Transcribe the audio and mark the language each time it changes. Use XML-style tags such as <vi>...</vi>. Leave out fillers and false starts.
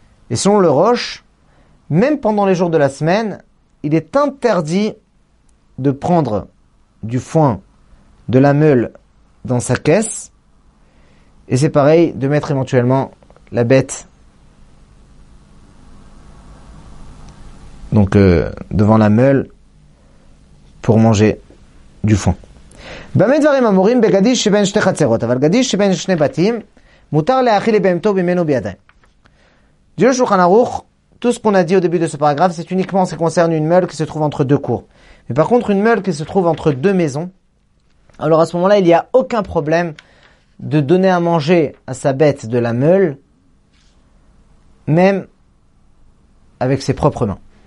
<fr>Et selon le roche, même pendant les jours de la semaine, il est interdit de prendre du foin de la meule dans sa caisse. Et c'est pareil de mettre éventuellement la bête devant la meule pour manger du foin.</fr> <he>במה דברים אמורים בגדיש שבין שתי חצרות, אבל גדיש שבין שני בתים, מותר להאכיל לבהמתו ממנו בידיים. דיו שולחן ערוך,</he> <fr>tout ce qu'on a dit au début de ce paragraphe, c'est uniquement ce qui concerne une meule qui se trouve entre deux cours. Mais par contre, une meule qui se trouve entre deux maisons, alors à ce moment-là, il n'y a aucun problème de donner à manger à sa bête de la meule, même avec ses propres mains.</fr>